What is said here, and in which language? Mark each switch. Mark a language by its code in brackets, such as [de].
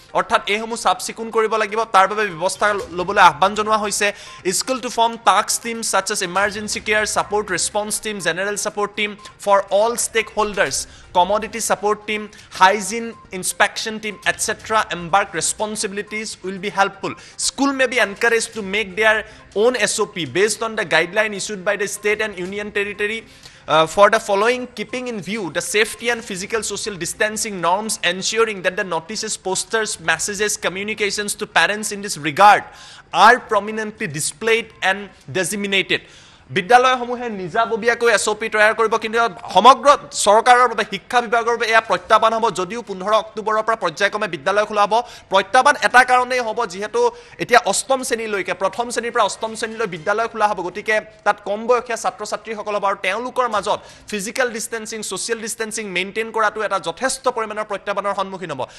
[as] অৰ্থাৎ এইসমূহ চাফ চিকুণ কৰিব লাগিব, তাৰ বাবে ব্যৱস্থা ল'বলৈ আহ্বান জনোৱা হৈছে। [en] School to form task team such as emergency care support response team, general support team for all stakeholders, commodity support team, hygiene inspection team etcetera, embark responsibilities will be helpful. School may be encouraged to make their own SOP based on the guideline issued by the state and union territory for the following, keeping in view the safety and physical social distancing norms, ensuring that the notices, posters, messages, communications to parents in this regard are prominently displayed and disseminated. [as] বিদ্যালয়সমূহে নিজাববীয়াকৈ SOP তৈয়াৰ কৰিব, কিন্তু সমগ্ৰ চৰকাৰৰ বাবে, শিক্ষা বিভাগৰ বাবে এয়া প্ৰত্যাহ্বান হ'ব। যদিও 15 অক্টোবৰৰ পৰা পৰ্যায়ক্ৰমে বিদ্যালয় খোলা হ'ব, প্ৰত্যাহ্বান এটা কাৰণেই হ'ব, যিহেতু এতিয়া অষ্টম শ্ৰেণীলৈকে, প্ৰথম শ্ৰেণীৰ পৰা অষ্টম শ্ৰেণীলৈ বিদ্যালয় খোলা হ'ব, গতিকে তাত কম বয়সীয়া ছাত্ৰ ছাত্ৰীসকল হ'ব আৰু তেওঁলোকৰ মাজত physical distancing, social distancing maintain কৰাটো এটা যথেষ্ট পৰিমাণৰ প্ৰত্যাহ্বানৰ সন্মুখীন হ'ব।